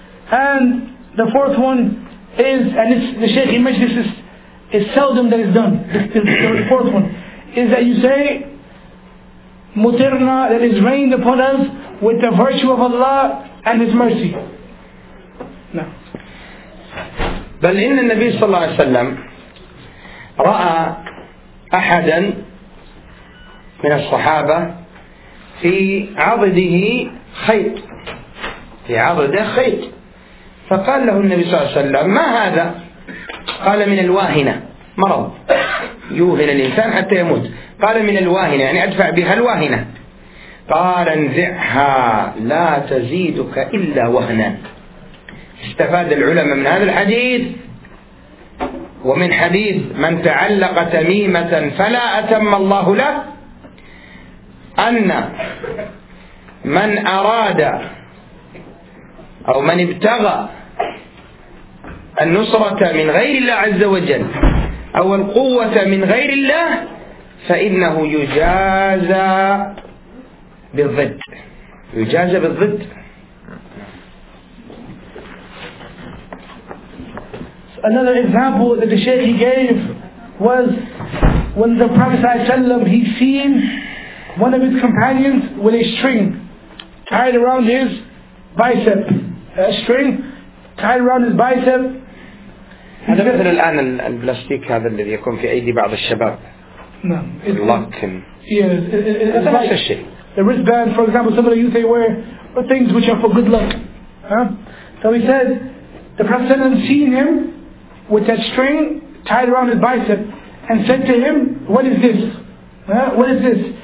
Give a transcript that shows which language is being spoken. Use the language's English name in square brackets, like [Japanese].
[English] And the fourth one is, and it's, the Shaykh he mentioned this is seldom that it's done, the fourth one, is that you say, Mutirna, that is rained upon us with the virtue of Allah and His mercy. No. [Arabic] بل إن النبي صلى الله عليه وسلم رأى أحدا من الصحابة في عضده خيط، في عضده خيط، فقال له النبي صلى الله عليه وسلم ما هذا؟ قال من الواهنة، مرض يوهن الإنسان حتى يموت. قال من الواهنة يعني أدفع بها الواهنة. قال انزعها لا تزيدك إلا وهنا. استفاد العلماء من هذا الحديث ومن حديث من تعلق تميمة فلا أتم الله له، أن من أراد أو من ابتغى النصرة من غير الله عز وجل أو القوة من غير الله فإنه يجازى بالضد، يجازى بالضد. [English] Another example that the Shaykh gave was when the Prophet ﷺ, he seen one of his companions with a string tied around his bicep. A string tied around his bicep. [Arabic] هذا مثل الآن البلاستيك هذا الذي يكون في أيدي بعض الشباب. نعم. اللاتين. [English] Yes. [Arabic] نفس الشيء. [English] The wristband, for example, some of the youth they wear are things which are for good luck. So he said, the Prophet seen him with that string tied around his bicep and said to him, what is this? What is this?